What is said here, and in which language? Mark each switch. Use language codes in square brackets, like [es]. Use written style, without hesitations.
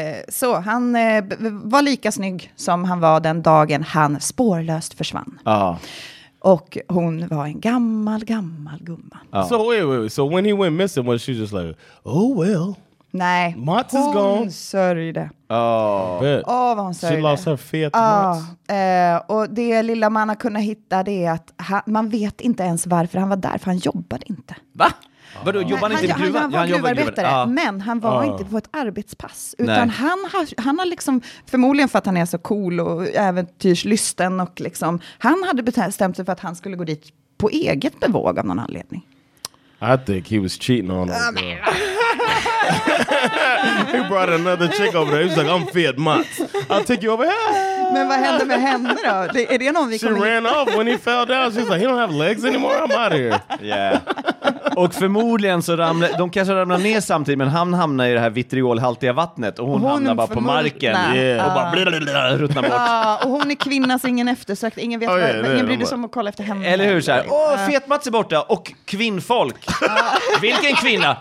[sv] Så han var lika snygg som han var den dagen han spårlöst försvann. Ja. Och hon var en gammal gumma. [en] Oh. So wait. So when he went missing, was she just like, oh well? [sv] Nej. [en] Mats is gone. [sv] Hon sörjde. Oh, vad hon sörjde. [en] She lost her fet Mats. [sv] Och det lilla man har kunnat hitta, det är att man vet inte ens varför han var där, för han jobbade inte. Va? Vadå, jobbade inte i gruvan? Han var gruvarbetare, men han var inte på ett arbetspass. Utan han har liksom, förmodligen för att han är så cool och äventyrslysten och liksom, han hade bestämt sig för att han skulle gå dit på eget bevåg av någon anledning. [en] I think he was cheating on him. He brought another chick over there. He was like, I'm fed Mats. I'll take you over here. [sv] Men vad hände med henne då? Är det någon vi kommer... [en] She ran off when he fell down. She's like, he don't have legs anymore. I'm out of here. Yeah. [sv] Och förmodligen så ramlade... De kanske ramlade ner samtidigt, men han hamnade i det här vitriolhaltiga vattnet. Och hon hamnade bara på marken. [en] Yeah. [sv] Och bara blablabla, ruttna bort. Och hon är kvinna, så ingen eftersökt. Ingen vet ingen bryr sig om att kolla efter henne. Eller hur? Såhär, fet Mats är borta. Och kvinnfolk. Vilken kvinna?